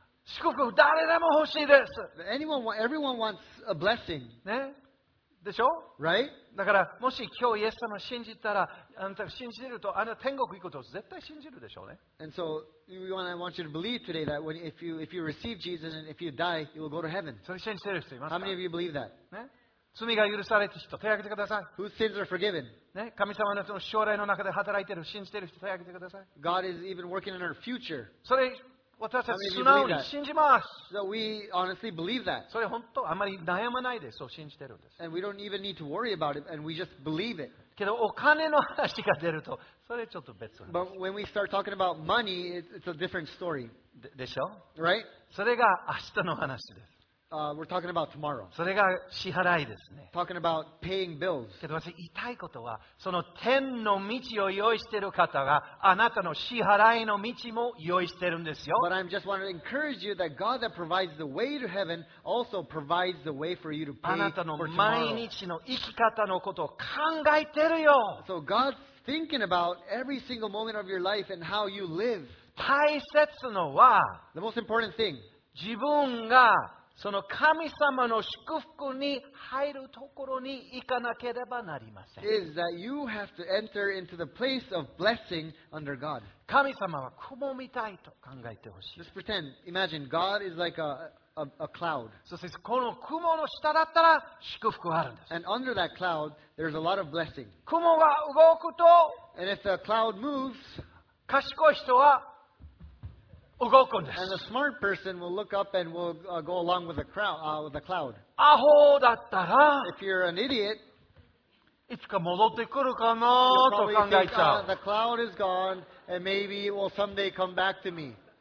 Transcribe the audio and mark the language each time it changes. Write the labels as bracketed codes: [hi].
[ja] 祝福誰でも欲しいです。 [en] Everyone wants a blessing. [ja] ね、でしょ、 [en] right? [ja] だからもし今日イエス様を信じたら、あなたが信じるとあなた天国行くことを絶対信じるでしょうね。 [en] And so I want you to believe today that when if you receive Jesus and if you die, you will go to heaven. [ja] それ信じてる人いますか？ [en] How many of you believe that? [ja] ね、罪が許されている人手を挙げてください。 [en] Whose sins are forgiven? [ja] ね、神様の人の将来の中で働いている信じてる人手を挙げてください。 [en] God is even working in our future. [ja] それ私たち素直に信じます。 [en] So we honestly believe that. [ja] それ本当、あまり悩まないで、そう信じてるんです。 [en] And we don't even need to worry about it, and we just believe it. [ja] けどお金の話が出ると、それちょっと別なんです。 [en] But when we start talking about money, it's a different story. [ja] でしょ？ [en] Right? [ja] それが明日の話です。 [en] We're talking about tomorrow. [ja] それが支払いですね。 [en] Talking about paying bills. [ja] けど私言いたいことは、その天の道を用意している方があなたの支払いの道も用意しているんですよ。 [en] But I just want to encourage you that God that provides the way to heaven also provides the way for you to pay for tomorrow. [ja] あなたの毎日の生き方のことを考えてるよ。 [en] So God's thinking about every single moment of your life and how you live. [ja] 大切のは、 [en] the most important thing, [ja] 自分がその神様の祝福に入るところに行かなければなりません。 [en] Is that you have to enter into the place of blessing under God? [ja] 神様は雲みたいと考えてほしい。 [en] Just pretend, imagine God is like a cloud. [ja] そしてこの雲の下だったら祝福があるんです。 [en] And under that cloud, there's a lot of blessing. [ja] 雲が動くと、 [en] And if the cloud moves, [ja] 賢い人は動くんです。 [en] And a smart person will look up and will go along with the cloud. [ja] アホだったら、 [en] if you're an idiot, [ja] いつか戻ってくるかなと考えちゃう。 [en] You'll probably think, the cloud is gone and maybe it will someday come back to me.